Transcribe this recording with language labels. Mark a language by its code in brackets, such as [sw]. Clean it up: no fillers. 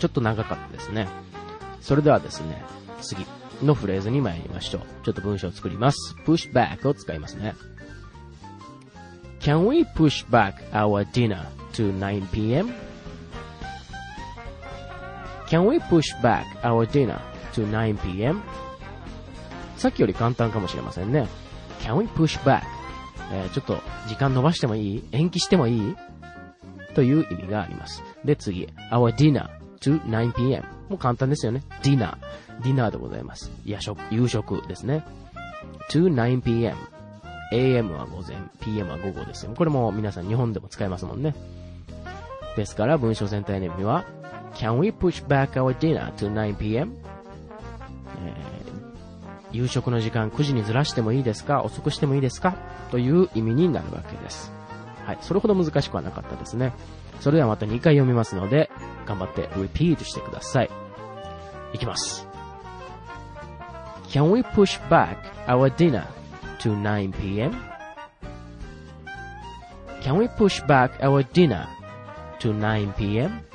[ja] ちょっと長かったですね。それではですね、次のフレーズに参りましょう。ちょっと文章を作ります。 push back を使いますね。 [en] Can we push back our dinner to 9pm? Can we push back our dinner to 9pm? [ja] さっきより簡単かもしれませんね。 [en] Can we push back、 [ja] ちょっと時間伸ばしてもいい、延期してもいいという意味があります。で次、 [en] Our dinner to 9pm [ja] もう簡単ですよね。 Dinner、 Dinner でございます。夜食、夕食ですね。 To 9pm、 AM は午前、 PM は午後ですよ。これも皆さん日本でも使えますもんね。ですから文章全体の意味は [en] Can we push back our dinner to 9pm、 [ja] 夕食の時間9時にずらしてもいいですか、遅くしてもいいですかという意味になるわけです。はい、それほど難しくはなかったですね。それではまた2回読みますので頑張ってリピートしてください。いきます。 [en] Can we push back our dinner to 9pm? Can we push back our dinner to 9pm?